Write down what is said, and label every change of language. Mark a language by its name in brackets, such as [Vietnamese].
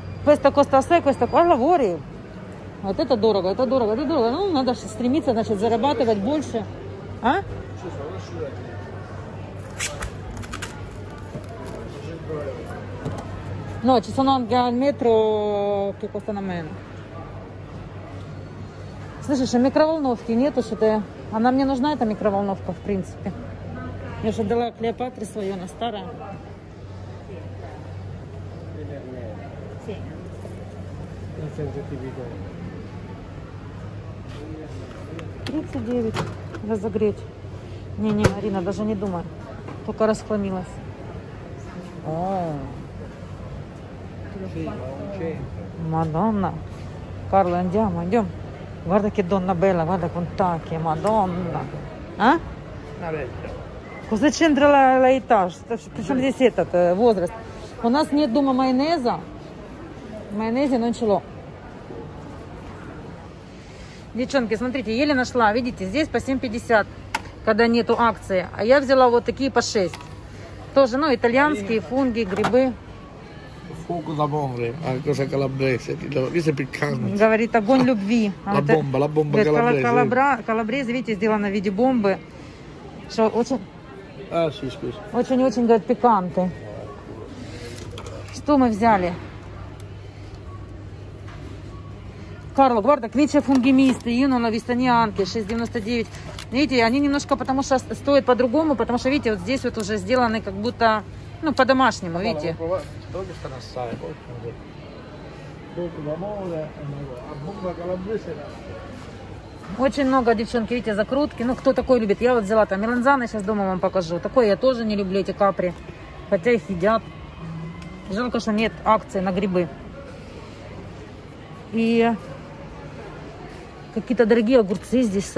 [Italian] Questa costa 6, questa qua lavori. [Russian] Вот это дорого, это дорого, это дорого. Ну, надо стремиться, значит, зарабатывать больше. А? [Italian] No, ci sono anche al metro che costano meno. [Ukrainian] Слышишь, що микроволновки нету, що ти... Вона мені нужна, ця микроволновка, в принципі. Я ж дала Клеопатрі свою, вона стара. [Russian] $39 разогреть. Не-не, Марина, даже не думай. Только расхламилась. О-о-о. [Italian] Madonna. Carlo, andiamo, andiamo. Guarda che donna bella, guarda con tacchi, Madonna. Eh? Una vecchia. Cosa c'entra l'età? Facciamo di setta, [Russian] возраст. У нас нет дома майонеза. [Italian] Майонезе non ce l'ho. [Russian] Девчонки, смотрите, еле нашла. Видите, здесь по 7,50, когда нету акции. А я взяла вот такие по 6. Тоже, ну, итальянские, фунги, грибы. [Italian] Fuoco d'amore, una cosa calabrese, questo è piccante. [Russian] Говорит огонь любви. [Italian] La bomba, la bomba calabrese. [Russian] Calabrese, видите, сделано в виде бомбы. Что очень... [Italian] А, sì, scusa. [Russian] Очень-очень, говорит, пикантно. Что мы взяли? [Italian] Carlo, guarda, qui c'è funghi misti, io non ho visto neanche, 6,99. [Russian] Видите, они немножко, потому что стоят по-другому, потому что, видите, вот здесь вот уже сделаны как будто... Ну, по-домашнему, Carlo, видите. [Italian] Dove sta l'assai? Dopo l'amore, a bomba calabrese. [Russian] Очень много, девчонки, видите, закрутки. Ну, кто такой любит? Я вот взяла там меланзаны, сейчас дома вам покажу. Такое я тоже не люблю, эти капри. Хотя их едят. Жалко, что нет акции на грибы. И какие-то дорогие огурцы здесь.